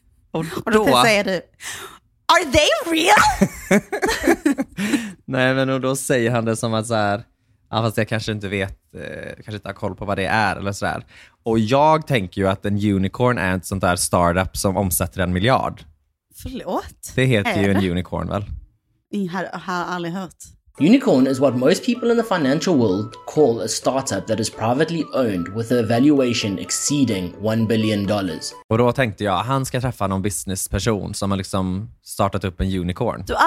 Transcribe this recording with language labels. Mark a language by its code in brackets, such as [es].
[sv] Och då säger du, [en] are they real? [sv] Nej, men och då säger han det som att så här, ja, fast jag kanske inte vet, kanske inte har koll på vad det är eller sådär. Och jag tänker ju att en unicorn är ett sånt där startup som omsätter en miljard. Förlåt? Det heter ju en unicorn, väl? Jag har aldrig hört. [en] Unicorn is what most people in the financial world call a startup that is privately owned with a valuation exceeding $1 billion. [sv] Och då tänkte jag, han ska träffa någon businessperson som har liksom startat upp en unicorn.